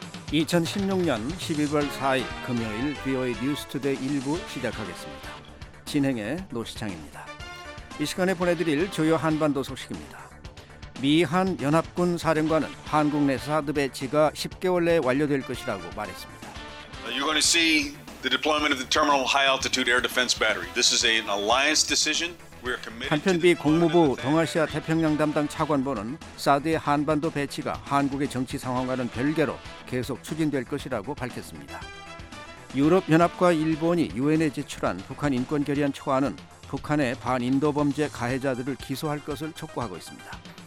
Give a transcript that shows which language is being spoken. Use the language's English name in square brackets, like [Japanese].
[Korean] 2016년 12월 4일 금요일 VOA 뉴스 투데이 일부 시작하겠습니다. 진행의 노시창입니다. 이 시간에 보내드릴 주요 한반도 소식입니다. 미한 연합군 사령관은 한국 내사 드베치가 10개월 내에 완료될 것이라고 말했습니다. [English] You're going to see the deployment of the terminal high altitude air defense battery. This is an alliance decision. [Korean] 한편 미 국무부 동아시아 태평양 담당 차관보는 사드의 한반도 배치가 한국의 정치 상황과는 별개로 계속 추진될 것이라고 밝혔습니다. 유럽연합과 일본이 UN에 제출한 북한 인권결의안 초안은 북한의 반인도 범죄 가해자들을 기소할 것을 촉구하고 있습니다.